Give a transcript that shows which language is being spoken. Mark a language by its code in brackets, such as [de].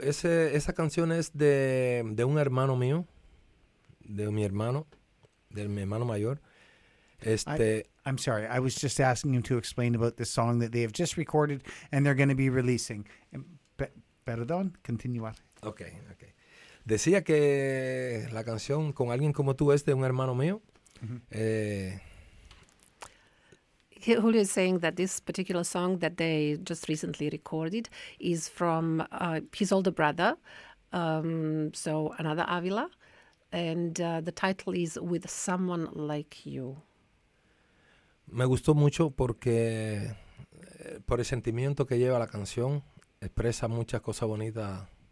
[es] Esa canción es de un hermano mío, de mi hermano. Del mi hermano mayor. [en] I'm sorry, I was just asking him to explain about the song that they have just recorded and they're going to be releasing. [es] Perdón, continuar. Ok. Decía que la canción con alguien como tú es de un hermano mío. Mm-hmm. [en] Julio is saying that this particular song that they just recently recorded is from his older brother, so another Avila. And the title is With Someone Like You. [es] Me gustó mucho porque por el sentimiento que lleva la canción expresa muchas cosas bonitas.